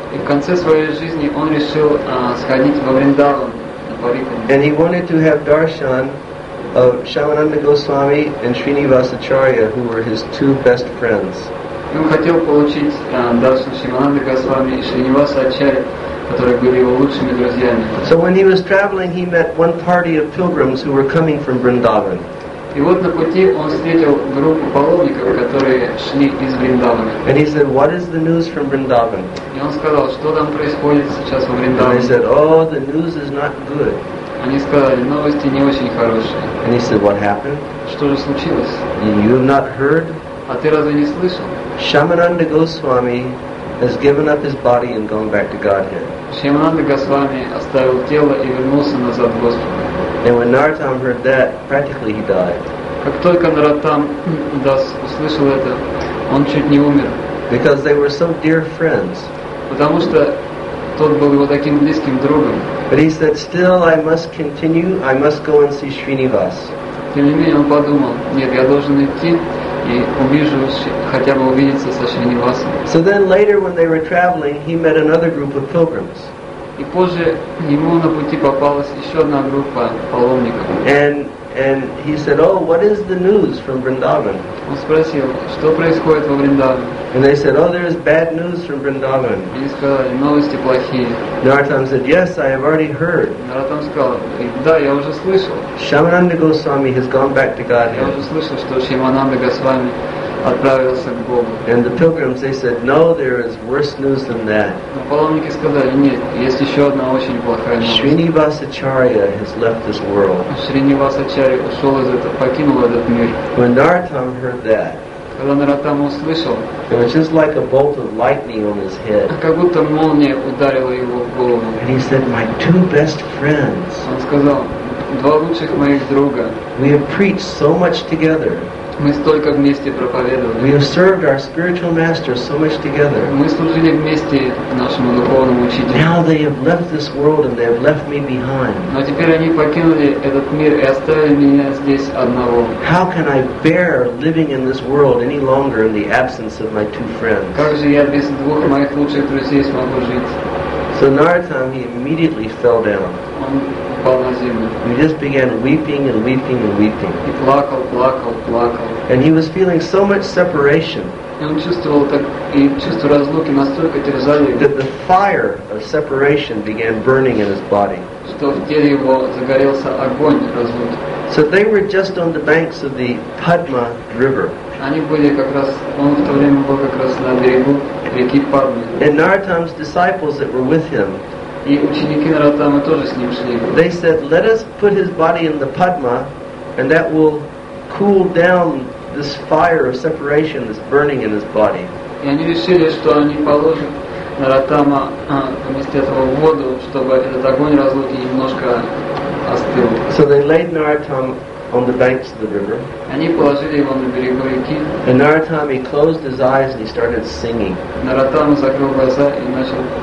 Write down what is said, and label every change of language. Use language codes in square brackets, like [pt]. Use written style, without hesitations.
[ru] И в конце своей жизни он решил сходить во Вриндаван на парикраму. [en] And he wanted to have darshan of Shyamananda Goswami and Srinivas Acharya, who were his two best friends. [ru] И он хотел получить даршан Шримананды Госвами и Шриниваса Ачарьи, которые были его лучшими друзьями. [en] So when he was traveling, he met one party of pilgrims who were coming from Vrindavan. [ru] И вот на пути он встретил группу паломников, которые шли из Вриндавана. [en] And he said, what is the news from Vrindavan? [ru] И он сказал, что там происходит сейчас во Вриндаване. [en] And he said, oh, the news is not good. [ru] Они сказали, новости не очень хорошие. [en] And he said, what happened? [ru] Что же случилось? [en] You have not heard? [ru] А ты разве не слышал? [en] Shyamananda Goswami has given up his body and gone back to Godhead. [ru] Shyamananda Goswami оставил тело и вернулся назад в Господь. [en] And when Narottam heard that, practically he died. [ru] Как только Наратан Дас услышал это, он чуть не умер. [en] Because they were so dear friends. [ru] Потому что тот был его таким близким другом. [en] But he said, still I must continue, I must go and see Srinivas. [ru] Тем не менее, он подумал, нет, я должен идти и увижу, хотя бы увидеться со Шринивасом. [en] So then later, when they were traveling, he met another group of pilgrims. [ru] И позже ему на пути попалась еще одна группа паломников. [en] And he said, oh, what is the news from Vrindavan? [ru] Он спросил, что происходит во Вриндаване? [en] And they said, oh, there is bad news from Vrindavan. [ru] И сказали, новости плохие. [en] Наратан said, yes, I have already heard. [ru] Наратан сказал, да, я уже слышал. [en] Шамананда Госвами has gone back to Godhead. [ru] Я уже слышал, что Шамананда Госвами отправился к Богу. [en] And the pilgrims, they said, no, there is worse news than that. [ru] Но паломники сказали, нет, есть еще одна очень плохая новость. [en] Шринивасачарья has left this world. [ru] Шринивасачарья ушел из этого, покинул этот мир. [en] When Наратан heard that, [ru] когда Наратан услышал, [en] it was just like a bolt of lightning on his head. [ru] Как будто молния ударила его в голову. [en] And he said, my two best friends. [ru] Он сказал, два лучших моих друга. [en] We have preached so much together. [ru] Мы столько вместе проповедовали. [en] We have served our spiritual master so much together. [ru] Мы служили вместе нашему духовному учителю. [en] Now they have left this world and they have left me behind. [ru] Но теперь они покинули этот мир и оставили меня здесь одного. [en] How can I bear living in this world any longer in the absence of my two friends? [ru] Как же я без двух моих лучших друзей смогу жить? [en] So Наратан, he immediately fell down. He just began weeping and weeping and weeping. [ru] И плакал, плакал, плакал. [en] And he was feeling so much separation. [ru] И он чувствовал так, и чувство разлуки настолько терзали его. [en] That the fire of separation began burning in his body. [ru] Что в теле его загорелся огонь разлуки. [en] So they were just on the banks of the Padma River. [ru] Они были как раз, он в то время был как раз на берегу реки Падмы. [en] And Naratam's disciples that were with him. [ru] И ученики Наратама тоже с ним шли. [en] They said, let us put his body in the Padma, and that will cool down this fire of separation that's burning in his body. [ru] И они решили, что они положат Наратама вместе этого в воду, чтобы этот огонь разлуки немножко остыл. [en] So they laid Naratama on the banks of the river. [ru] Они положили его на берегу реки. [en] And Naratama, he closed his eyes and he started singing. [ru] Наратама закрыл глаза и начал.